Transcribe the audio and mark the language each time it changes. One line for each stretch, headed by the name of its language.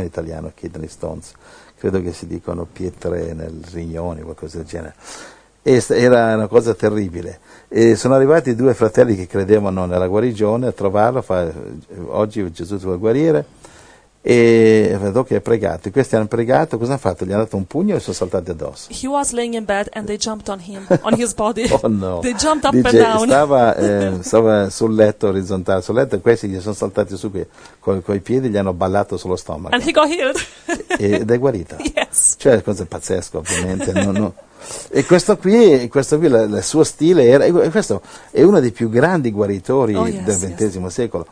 Italian: In italiano kidney stones, credo che si dicano pietre nel rignone, qualcosa del genere. E era una cosa terribile. E sono arrivati due fratelli che credevano nella guarigione a trovarlo, oggi Gesù ti vuole guarire. E vedo che ha pregato. Questi hanno pregato, cosa hanno fatto? Gli hanno dato un pugno e sono saltati addosso.
English: He was laying in bed and they jumped on him, on his body. Oh no. They jumped up
Italian: Dice,
English: and down.
Italian: Stava sul letto orizzontale, sul letto, e questi gli sono saltati su qui, coi piedi gli hanno ballato sullo stomaco.
English: And he got healed.
Italian: Ed è guarito.
English: Yes.
Italian: Cioè, cosa è pazzesco, ovviamente. No. E questo qui, il suo stile era, e questo è uno dei più grandi guaritori del XX secolo.